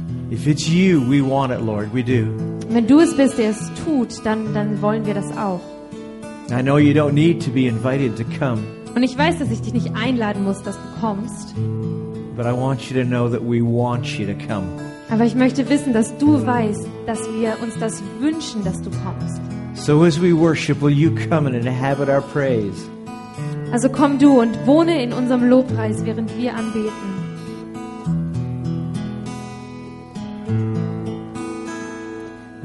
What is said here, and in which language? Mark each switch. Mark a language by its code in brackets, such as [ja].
[en] If it's you, we want it, Lord, we do. [de] Wenn du es bist, der es tut, dann wollen wir das auch. [en] I know you don't need to be invited to come. [de] Und ich weiß, dass ich dich nicht einladen muss, dass du kommst. [en] But I want you to know that we want you to come. [de] Aber ich möchte wissen, dass du weißt, dass wir uns das wünschen, dass du kommst. [en] So as we worship, will you come and inhabit our praise? [de] Also komm du und wohne in unserem Lobpreis, während wir anbeten.